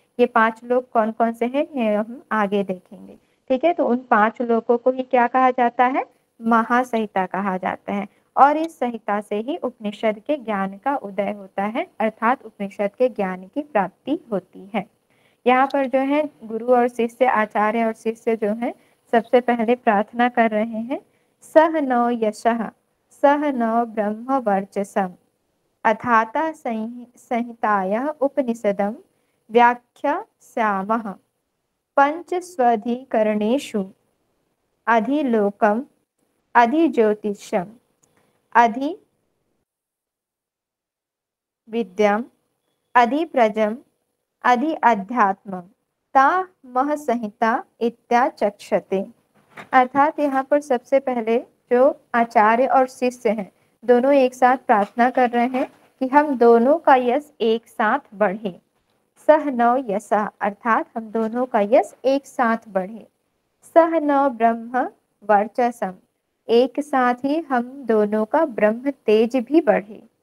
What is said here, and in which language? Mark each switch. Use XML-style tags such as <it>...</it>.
<hi>ये 5 लोक कौन कौन से हैं ये हम आगे देखेंगे, ठीक है, तो उन 5 लोकों को ही क्या कहा जाता है, महासंहिता कहा जाता है, और इस संहिता से ही उपनिषद के ज्ञान का उदय होता है, अर्थात उपनिषद के ज्ञान की प्राप्ति होती है। यहाँ पर जो है गुरु और शिष्य, आचार्य और शिष्य जो है सबसे पहले प्रार्थना कर रहे हैं,</hi> <sa>सह नौ यश सह नौ ब्रह्म वर्चसम, अथाता संहितायाः उपनिषदं व्याख्यास्यामः पञ्चस्वधिकरणेषु अधिलोकम् अधिज्योतिषम् अधिविद्यम् अधिप्रजम् अधिअध्यात्मम् ता महसंहिता इत्याचक्षते।</sa> <hi>अर्थात यहाँ पर सबसे पहले जो आचार्य और शिष्य हैं दोनों एक साथ प्रार्थना कर रहे हैं कि हम दोनों का यश एक साथ बढ़े।</hi> <sa>सह नव यशः,</sa> <hi>अर्थात हम दोनों का यश एक साथ बढ़े।</hi> <sa>सह नव ब्रह्म वर्चसम,</sa> <hi>एक साथ ही हम दोनों का ब्रह्म तेज भी बढ़े।</hi>